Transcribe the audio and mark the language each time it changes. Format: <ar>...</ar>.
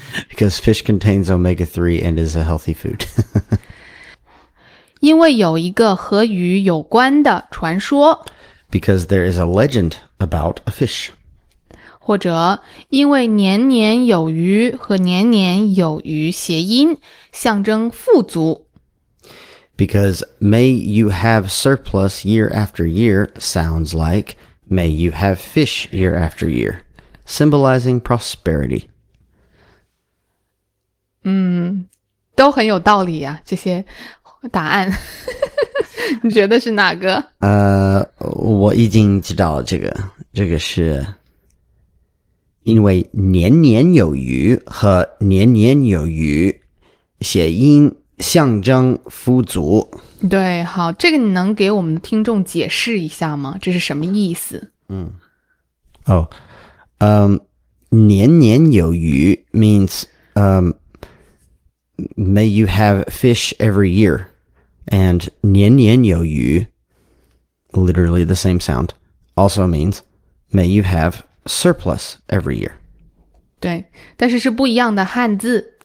<en>Because fish contains omega-3 and is a healthy food.</en> <zh>因为有一个和鱼有关的传说。</zh> <en>Because there is a legend about a fish.</en> <zh>或者因为年年有余和年年有余谐音象征富足。</zh> <en>Because may you have surplus year after year sounds like may you have fish year after year, symbolizing prosperity.</en> <zh>都很有道理啊，这些答案。你觉得是哪个？我已经知道了这个是因为年年有余和年年有余谐音象征富足对好这个你能给我们听众解释一下吗这是什么意思</zh> <en>年年有余 means may you have fish every year and 年年有余 literally the same sound also means may you have surplus every year</en> <zh>对但是是不一样的汉字</zh>